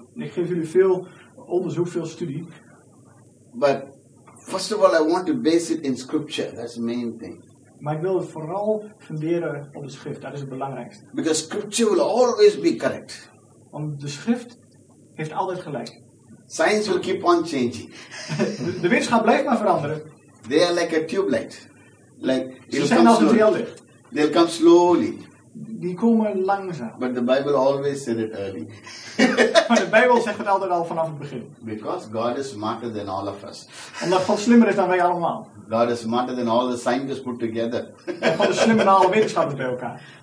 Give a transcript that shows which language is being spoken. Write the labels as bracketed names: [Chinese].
[Dutch] Ik geef jullie veel onderzoek, veel studie. [English] But first of all, I want to base it in scripture. That's the main thing. [Dutch] Maar ik wil het vooral funderen op de schrift. Dat is het belangrijkste. [English] Because scripture will always be correct. [Dutch] Want de schrift heeft altijd gelijk. [English] Science will keep on changing. [Dutch] De wetenschap blijft maar veranderen. [English] They are like a tube light. Like, [Dutch] ze zijn als een triallicht. [English] They'll come slowly. [Dutch] Die komen langzaam. [English] But the Bible always said it early. [Dutch] Maar de Bijbel zegt het altijd al vanaf het begin. [English] Because God is smarter than all of us. [Dutch] Omdat God slimmer is dan wij allemaal. [English] God is smarter than all the scientists put together. [Dutch] God is slimmer dan alle wetenschappers bij elkaar.